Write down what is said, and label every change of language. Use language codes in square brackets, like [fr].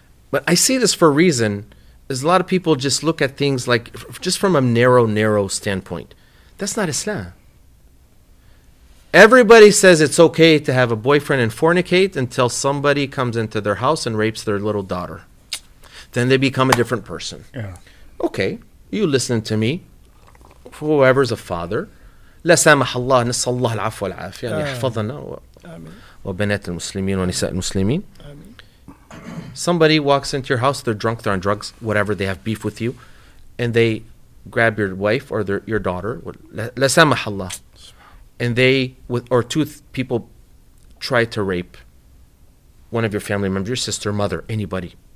[en] But I see this for a reason, is a lot of people just look at things like, just from a narrow standpoint. That's not Islam. Everybody says it's okay to have a boyfriend and fornicate until somebody comes into their house and rapes their little daughter. Then they become a different person. Yeah. Okay, you listen to me. Whoever's a father. [ar] لا سامح الله نسأل الله العفو والعافية يحفظنا وبنات المسلمين ونساء المسلمين. [en] Somebody walks into your house, they're drunk, they're on drugs, whatever, they have beef with you, and they grab your wife or your daughter. [ar] لا سامح الله. [en] And they, or two people, try to rape one of your family members, your sister, mother, anybody.